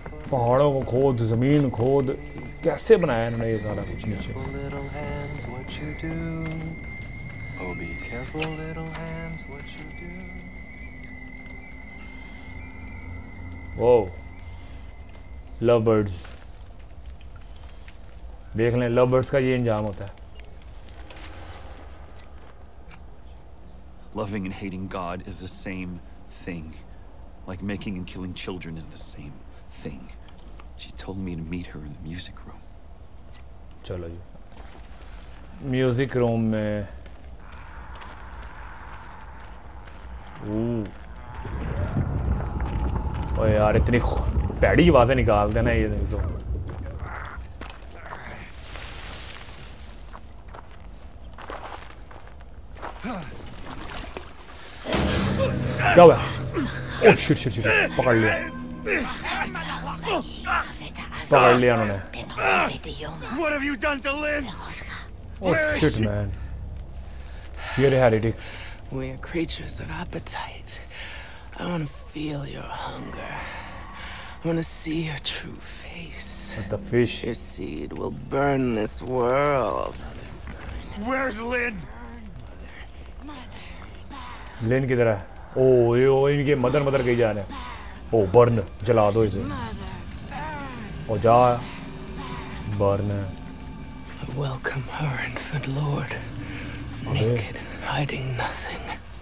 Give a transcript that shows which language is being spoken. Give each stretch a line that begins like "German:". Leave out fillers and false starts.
Hindi: पहाड़ों को खोद, जमीन खोद, कैसे बनाया इन्होंने ये सारा कुछ नीचे। वो लव बर्ड्स देख लें, लव बर्ड्स का ये अंजाम होता है।
English: Loving and hating God is the same thing. Like making and killing children is the same thing. She told me to meet her in the music room.
Hindi: चलो जी। Music room में। ओह यार इतनी पैड़ी आवाज़ें निकाल देना ये तो। क्या हुआ?
English: oh shit shit shit,
Hindi: पकड़ लिया उन्होंने।
English: What have you done to Lynn? Oh shit man,
Hindi: ये रहा रिडिक्स।
English: We are creatures of appetite. I want to feel your hunger. I want to see your true face. But the fish. Your seed will burn this world. Where's Lynn?
Hindi: Lynn किधर है? ओ इनके mother mother कहीं जा रहे हैं। ओ burn, जला दो इसे। ओ जा burn.
English: Welcome her, infant lord. Naked, hiding nothing.